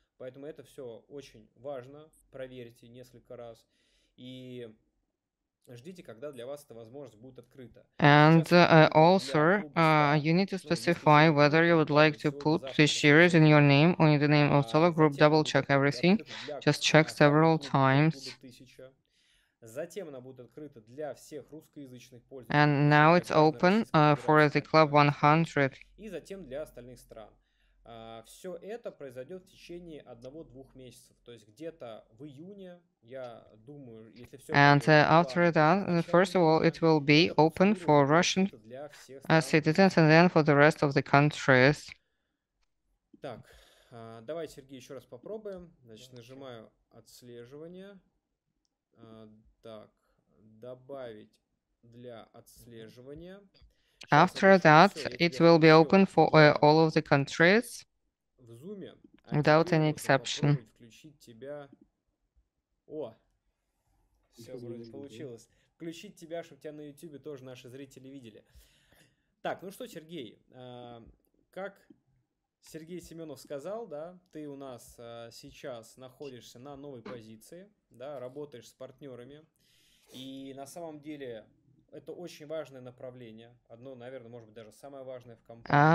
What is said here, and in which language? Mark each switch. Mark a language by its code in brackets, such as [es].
[ru] Поэтому это все очень важно. Проверьте несколько раз. И ждите, когда для вас эта возможность будет открыта. [en] And also, you need to specify whether you would like to put the shares in your name or in the name of Solar Group. Double check everything. Just check several times. [ru] Затем она будет открыта для всех русскоязычных пользователей. [en] And now it's open for the Club 100. [ru] И затем для остальных стран. Все это произойдет в течение 1-2 месяцев. То есть где-то в июне, я думаю, если все... [en] And after that, first of all, it will be open for Russian citizens and then for the rest of the countries. [ru] Так, давай, Сергей, еще раз попробуем. Значит, нажимаю отслеживание. Так, добавить для отслеживания. [en] After that, it will be open for all of the countries, without any exception. [ru] Включить тебя. О, все вроде получилось. Включить тебя, чтобы тебя на YouTube тоже наши зрители видели. Так, ну что, Сергей, как Сергей Семенов сказал, да, ты у нас сейчас находишься на новой позиции, да, работаешь с партнерами, и на самом деле это очень важное направление, одно, наверное, может быть даже самое важное в компании.